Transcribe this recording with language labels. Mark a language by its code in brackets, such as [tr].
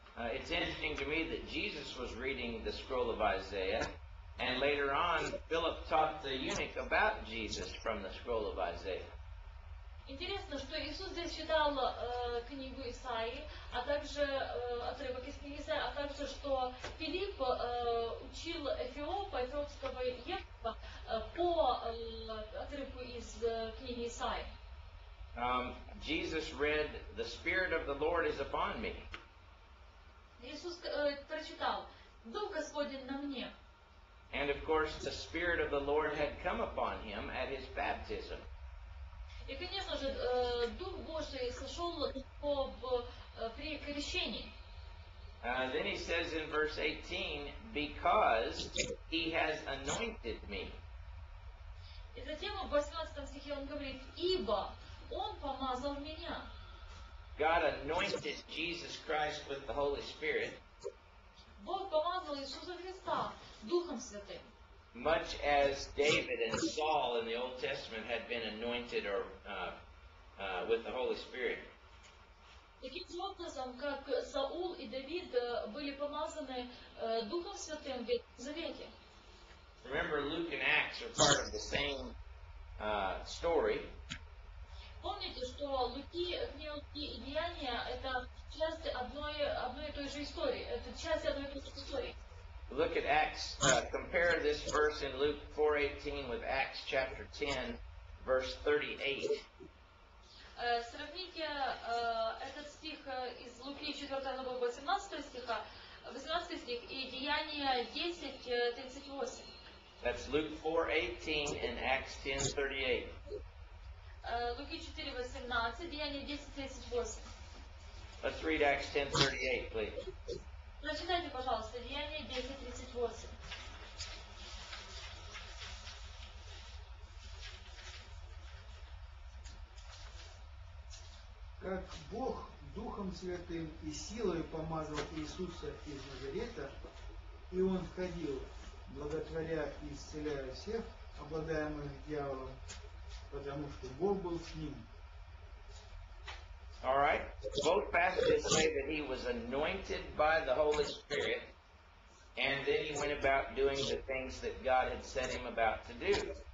[en] It's interesting to me that Jesus was reading the scroll of Isaiah, and later on, Philip taught the eunuch about Jesus from the scroll of Isaiah. [ru] Интересно, что Иисус здесь читал книгу Исаии, а также отрывок из книги Исаии, а также, что Филипп учил Эфиопа, эфиопского Ефа по отрывку из книги Исаии. [en] Jesus read, "The Spirit of the Lord is upon me." [ru] Иисус прочитал, "Дух Господень на мне." [en] And of course, the Spirit of the Lord had come upon him at his baptism. [ru] И, конечно же, Дух Божий сошел при крещении. [en] Then he says in verse 18, because he has anointed me. [ru] И затем в 18 стихе он говорит, ибо он помазал меня. [en] God anointed Jesus Christ with the Holy Spirit. [ru] Бог помазал Иисуса Христа Духом Святым. [en] Much as David and Saul in the Old Testament had been anointed or with the Holy Spirit. [ru] Таким же образом, как Саул и Давид были помазаны Духом Святым в Завете. [en] Remember, Luke and Acts are part of the same story. [ru] Помните, что Луки, Луки и Деяния это часть одной и той же истории. Это часть одной и той же истории. [en] Look at Acts, compare this verse in Luke 4:18 with Acts chapter 10, verse 38. [ru] Сравните этот стих из Луки 4 глава 18 стиха, 18 стих и Деяния 10:38. [en] That's Luke 4:18 and Acts 10:38. [ru] Луки 4:18, Деяния 10:38. [en] Let's read Acts 10:38, please. [ru] Прочитайте, пожалуйста, Деяния 10:38. Как Бог Духом Святым и силой помазал Иисуса из Назарета, и Он входил, благотворя и исцеляя всех, обладаемых дьяволом, потому что Бог был с ним. [en] All right. Both passages say that he was anointed by the Holy Spirit, and then he went about doing the things that God had set him about to do.